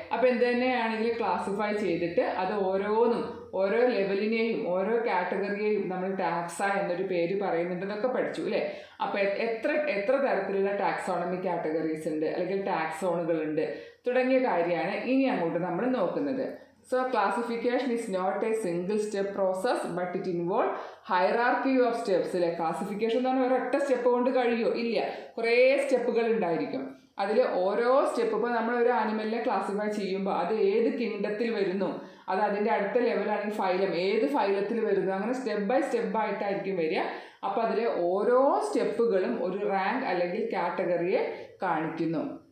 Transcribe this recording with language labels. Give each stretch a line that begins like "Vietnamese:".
Malayalam: അപ്പോൾ എന്ത് തന്നെയാണെങ്കിലും ക്ലാസിഫൈ ചെയ്തിട്ട് അത് ഓരോന്നും ഓരോ ലെവലിനെയും ഓരോ കാറ്റഗറിയെയും നമ്മൾ ടാക്സ എന്നൊരു പേര് പറയുന്നുണ്ടെന്നൊക്കെ പഠിച്ചു അല്ലേ. അപ്പോൾ എത്ര തരത്തിലുള്ള ടാക്സോണമി കാറ്റഗറീസ് ഉണ്ട് അല്ലെങ്കിൽ ടാക്സോണുകളുണ്ട് തുടങ്ങിയ കാര്യമാണ് ഇനി അങ്ങോട്ട് നമ്മൾ നോക്കുന്നത്.
English: So classification is not a single step process, but it involves hierarchy of steps.
Malayalam: ഇല്ല, ക്ലാസിഫിക്കേഷൻ എന്ന് പറഞ്ഞാൽ ഒരൊറ്റ സ്റ്റെപ്പ് കൊണ്ട് കഴിയുമോ, ഇല്ല, കുറേ സ്റ്റെപ്പുകൾ ഉണ്ടായിരിക്കും. അതിൽ ഓരോ സ്റ്റെപ്പ്, ഇപ്പോൾ നമ്മളൊരു ആനിമലിനെ ക്ലാസിഫൈ ചെയ്യുമ്പോൾ അത് ഏത് കിങ്ഡത്തിൽ വരുന്നു, അത് അതിൻ്റെ അടുത്ത ലെവലാണെങ്കിൽ ഫൈലം, ഏത് ഫൈലത്തിൽ വരുന്നു, അങ്ങനെ സ്റ്റെപ്പ് ബൈ സ്റ്റെപ്പ് ആയിട്ടായിരിക്കും വരിക. അപ്പോൾ അതിൽ ഓരോ സ്റ്റെപ്പുകളും ഒരു റാങ്ക് അല്ലെങ്കിൽ കാറ്റഗറിയെ കാണിക്കുന്നു.